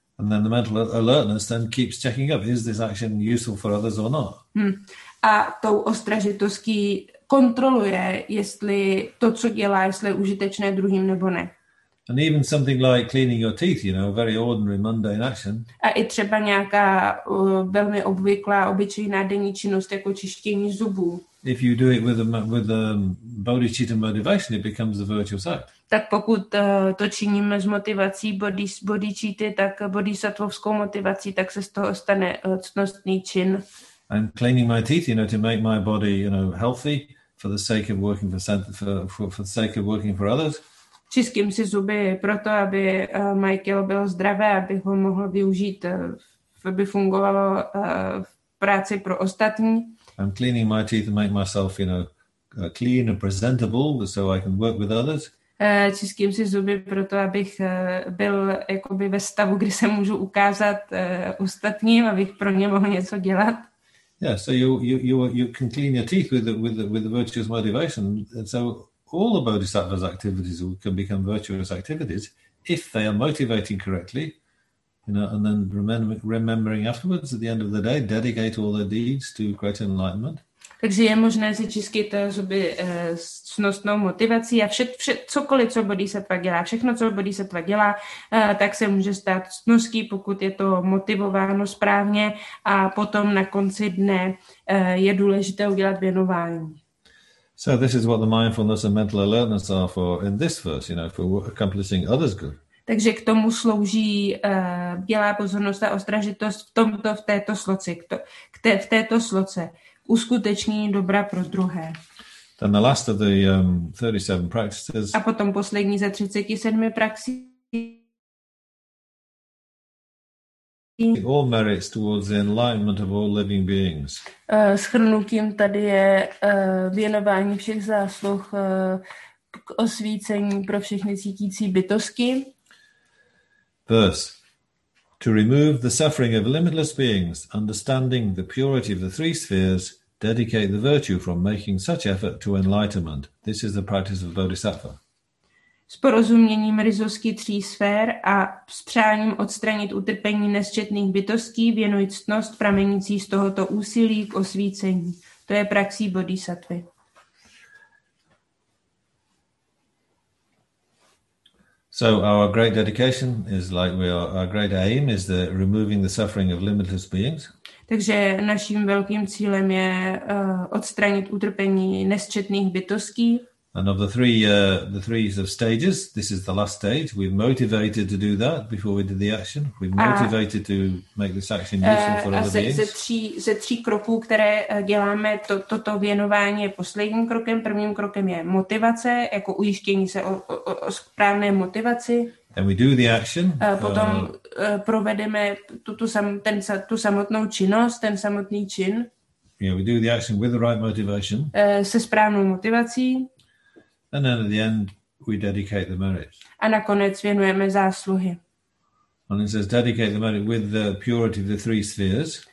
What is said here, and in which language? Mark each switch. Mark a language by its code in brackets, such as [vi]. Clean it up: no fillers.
[en] And then the mental alertness then keeps checking up, is this action useful for others or not? [cs] A tou ostražitostí kontroluje, jestli to, co dělá, jestli je užitečné druhým nebo ne. [en] And even something like cleaning your teeth, you know, a very ordinary mundane action. [cs] A i třeba nějaká velmi obvyklá, obyčejná denní činnost, jako čištění zubů. [en] If you do it with a bodhicitta motivation, it becomes a virtuous act. [cs] Tak pokud to činíme s motivací bodhicitty, tak bodhisattvovskou motivací, tak se z toho stane ctnostný čin. [en] I'm cleaning my teeth, you know, to make my body, you know, healthy for the sake of working for the sake of working for others. [cs] Čistím si zuby proto, aby Michael byl zdravý, aby ho mohl využít, aby fungovalo v práci pro ostatní. [en] I'm cleaning my teeth to make myself, you know, clean and presentable so I can work with others. [cs] čistím si zuby proto, abych byl jakoby ve stavu, kdy se můžu ukázat ostatním, abych pro ně mohl něco dělat. [en] Yeah, so you can clean your teeth with the virtuous motivation. And so all the bodhisattvas' activities can become virtuous activities if they are motivating correctly, you know, and then remembering afterwards at the end of the day, dedicate all their deeds to greater enlightenment. [cs] Takže je možné si čistit zuby s cnostnou motivací a vše, cokoliv, co bodhisattva dělá, všechno, co bodhisattva dělá, tak se může stát cností, pokud je to motivováno správně a potom na konci dne je důležité udělat věnování. [en] So this is what the mindfulness and mental alertness are for in this verse, you know, for accomplishing others' good. [cs] Takže k tomu slouží bdělá pozornost a ostražitost v této sloce. Uskuteční dobra pro druhé. [en] Then the last of the 37 practices. [cs] A potom poslední ze 37 praxí. [en] All merits towards the enlightenment of all living beings. [cs] Shrnutím tady je věnování všech zásluh k osvícení pro všechny cítící bytosti. [en] Verse. To remove the suffering of limitless beings, understanding the purity of the three spheres, dedicate the virtue from making such effort to enlightenment. This is the practice of bodhisattva. [cs] S porozuměním rizosky tří sfér a s přáním odstranit utrpení nesčetných bytostí věnuj ctnost pramenící z tohoto úsilí k osvícení. To je praxí bodhisattvy. [en] So our great dedication is like we are, our great aim is the removing the suffering of limitless beings. [cs] Takže naším velkým cílem je odstranit utrpení nesčetných bytostí. [en] And of the three of stages, this is the last stage. We've motivated to do that before we did the action. We've motivated to make this action useful for other beings. [cs] Ze tří kroků, které děláme, toto věnování je posledním krokem. Prvním krokem je motivace, jako ujištění se o správné motivaci. [en] And we do the action. [cs] Potom provedeme tu samotnou činnost, ten samotný čin. [en] Yeah, we do the action with the right motivation. [cs] Se správnou motivací. [en] And then at the end we dedicate the merits. [cs] A nakonec věnujeme zásluhy. [en] And it says dedicate the merit with the purity of the three spheres.